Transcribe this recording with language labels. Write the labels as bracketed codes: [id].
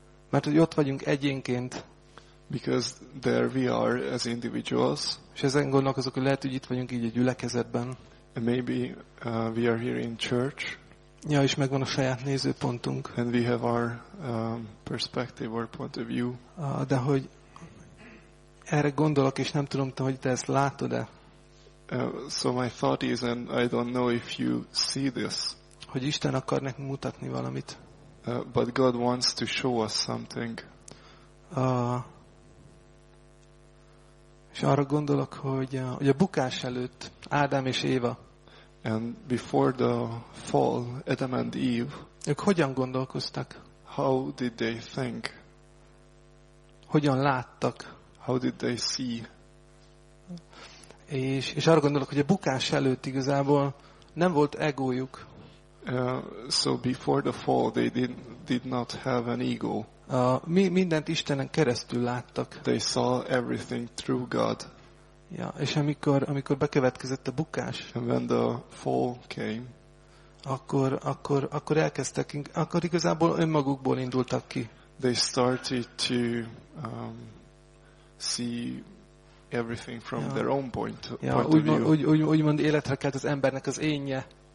[hu] Mert hogy ott vagyunk egyénként. [en] Because there we are as individuals. [hu] És ezen gondolkozok, hogy lehet, hogy itt vagyunk így a gyülekezetben. [en] And maybe we are here in church. [hu] Ja, és megvan a saját nézőpontunk. [en] And we have our perspective or point of view. [hu] De hogy erre gondolok, és nem tudom, hogy te ezt látod-e. [en] So my thought is, and I don't know if you see this. [hu] Hogy Isten akar nekünk mutatni valamit. [en] But God wants to show us something. [hu] És arra gondolok, hogy a bukás előtt Ádám és Éva. [en] And before the fall, Adam and Eve. [hu] Ők hogyan gondolkoztak? [en] How did they think? [hu] Hogyan láttak? [en] How did they see? [hu] És arra gondolok, hogy a bukás előtt igazából nem volt egójuk. [en] So before the fall they did not have an ego. [hu] Mindent Istenen keresztül láttak. [en] They saw everything through God. [hu] Ja, és amikor bekövetkezett a bukás, [en] and when the fall came, [hu] akkor elkezdtek, akkor igazából önmagukból indultak ki. [en] They started to see everything from their own point of view. [hu] Úgymond életre kelt az embernek az énje.